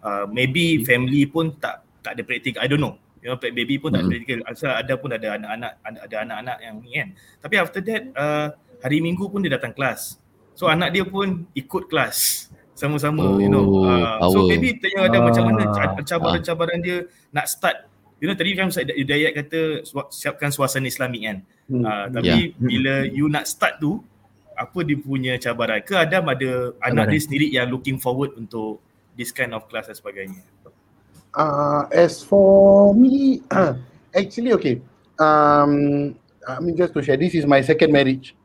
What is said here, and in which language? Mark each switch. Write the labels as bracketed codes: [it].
[en] Maybe family [ms] pun tak ada praktik, [en] I don't know. You know, [ms] baby pun tak ada praktik. Asal Adam pun ada anak-anak yang ni kan. Tapi [en] after that, [ms] hari Minggu pun dia datang kelas. So anak dia pun ikut kelas. Sama-sama, so maybe tanya Adam macam mana cabaran-cabaran dia nak start. [en] You know, [ms] tadi kan Hidayat kata siapkan suasana Islamik kan. Bila you nak start tu, apa dia punya cabaran? Ke Adam ada anak dia sendiri yang [en] looking forward [ms] untuk [en] this kind of class [ms] dan sebagainya? [en] As for me, actually okay. I mean, just to share, this is my second marriage.